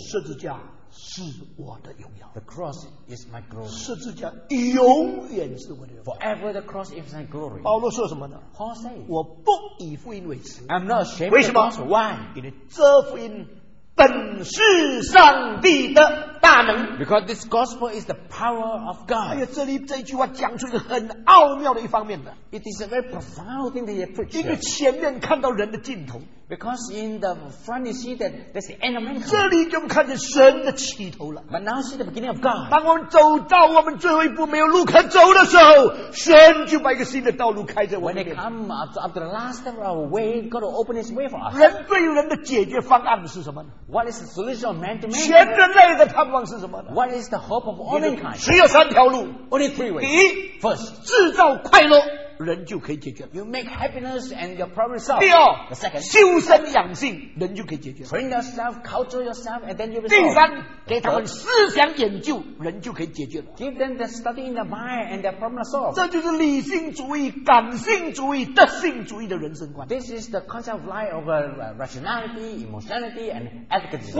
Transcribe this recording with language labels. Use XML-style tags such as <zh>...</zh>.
<zh>十字架是我的荣耀。</zh> <en>The cross is my glory.</en> <zh>十字架永远是我的荣耀。</zh> <en>Forever the cross is my glory.</en> <zh>保罗说什么呢？</zh> <en>Paul says.</en> <zh>我不以福音为耻。</zh> <en>I'm not ashamed of the gospel. Why?</en> <zh>因为这福音本是上帝的大能。</zh> <en>Because this gospel is the power of God.</en> <zh>哎呀，这里这句话讲出一个很奥妙的一方面的。</zh> <en>It is a very profound thing that he preached.</en> <zh>因为前面看到人的尽头。</zh> <en>Because in the front you see that there's the end of man.</en> <zh>这里就看见神的起头了。</zh> <en>But now see the beginning of God.</en> <zh>当我们走到我们最后一步没有路可走的时候，神就把一个新的道路开在我们面前。</zh> <en>When they come after the last step of our way, God will open His way for us.</en> <zh>人对人的解决方案是什么呢？</zh> <en>What is the solution of man to man?</en> <zh>全人类的盼望是什么呢？</zh> <en>What is the hope of all mankind?</en> <zh>只有三条路。</zh> <en>Only three ways.</en> <zh>第一</zh> <en>，First，</en> <zh>制造快乐，人就可以解决。</zh> <en>You make happiness and your problem solved.</en> <zh>第二</zh> <en>，The second，</en> <zh>修身养性，人就可以解决。</zh> <en>Train yourself, culture yourself, and then you will solve.</en> <zh>第三，给他们思想研究，人就可以解决。</zh> <en>Give them the study in the mind and their problem solved.</en> <zh>这就是理性主义、感性主义、德性主义的人生观。</zh> <en>This is the concept of life of rationality, emotionality, and ethicism.</en>